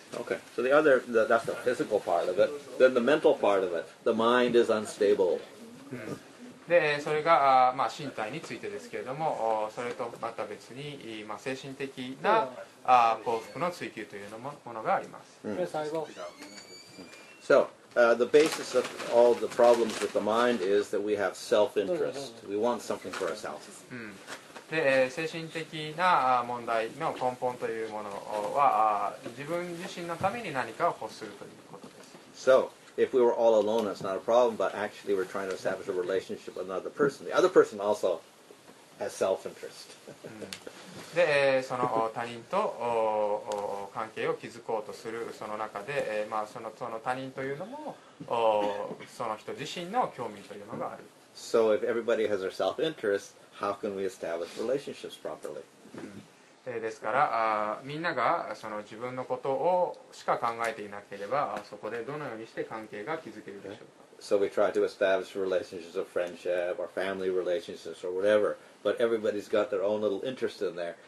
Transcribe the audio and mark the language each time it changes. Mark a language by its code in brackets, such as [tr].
[en] Okay, so the other, that's the physical part of it. Then the mental part of it, the mind is unstable. [ja] で、それが、まあ、身体についてですけれども、それとまた別に、まあ、精神的な幸福の追求というものがあります。最後。 [en] So, the basis of all the problems with the mind is that we have self-interest. We want something for ourselves. [ja] で精神的な問題の根本というものは自分自身のために何かを欲するということです。 [en] So, if we were all alone, it's not a problem, but actually we're trying to establish a relationship with another person. The other person also has self-interest. [ja] で、その他人と関係を築こうとするその中で、まあ、その他人というのもその人自身の興味というのがある。 [en] So, if everybody has their self-interest,How can we establish relationships properly? [ja] ですから、みんながその自分のことをしか考えていなければ、そこでどのようにして関係が築けるでしょうか。 [en] So we try to establish relationships of friendship or family relationships or whatever, but everybody's got their own little interest in there.